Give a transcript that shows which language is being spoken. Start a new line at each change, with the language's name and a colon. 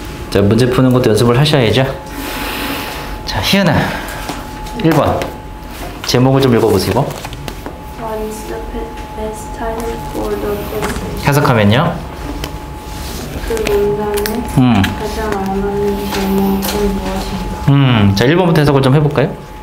Korean: 자, 문제 푸는 것도 연습을 하셔야죠. 자, 희은아. 1번. 제목을 좀 읽어보시고.
English: When's the best time for the conversation?
Korean: 해석하면요. 그 문단에 가장 안 맞는 제목은 무엇인가? 자, 1번부터 해석을 좀 해볼까요?